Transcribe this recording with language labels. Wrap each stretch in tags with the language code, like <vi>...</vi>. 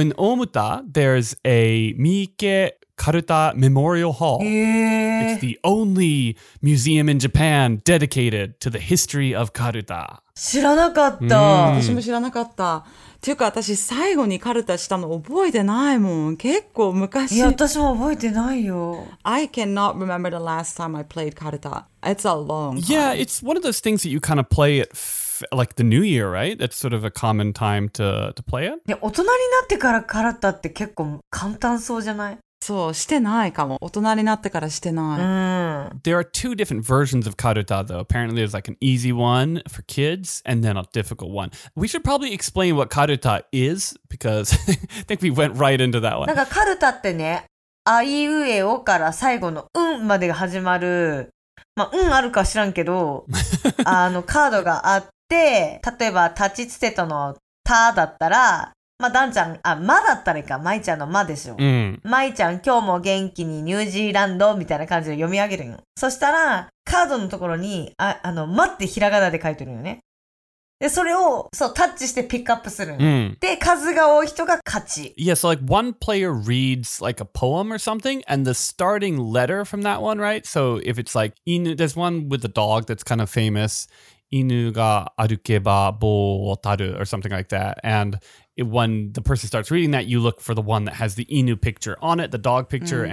<en>In 大牟田, there's a 三池カルタ Memorial Hall. It's the only museum in Japan dedicated to the history of カルタ。</en> <ja>知らなかった。私も知らなかった。っていうか、私最後にカルタしたの覚えてないもん。結構昔。いや、私も覚えてないよ。</ja> <en>I cannot remember the last time I played カルタ. It's a long time. Yeah, it's one of those things that you kind of play at like the New Year, right? That's sort of a common time to play it.</en> <ja>いや、大人になってからカルタって結構簡単そうじゃない？そう、してないかも。大人になってからしてない。うん。</ja> <en>There are two different versions of karuta, though. Apparently, there's like an easy one for kids and then a difficult one. We should probably explain what karuta is, because I think we went right into that one.</en> <ja>なんかカルタってね、あいうえおから最後のうんまでが始まる、まあ、うんあるか知らんけど、カードがあって、例えば、たちつてとのただったら、まあ、ダンちゃん、あ、まだったらいいか、まいちゃんのまでしょ。うん。まいちゃん、今日も元気にニュージーランドみたいな感じで読み上げるの。そしたら、カードのところに、まってひらがなで書いてるのね。で、それを、そう、タッチしてピックアップするの。うん。で、数が多い人が勝ち。</ja> <en>Yeah, so like one player reads like a poem or something, and the starting letter from that one, right? So if it's like, there's one with a dog that's kind of famous.</en> <ja>犬が歩けば棒を立る</ja> <en>or something like that. And when the person starts reading that, you look for the one that has the 犬 picture on it, the dog picture,、mm.</en>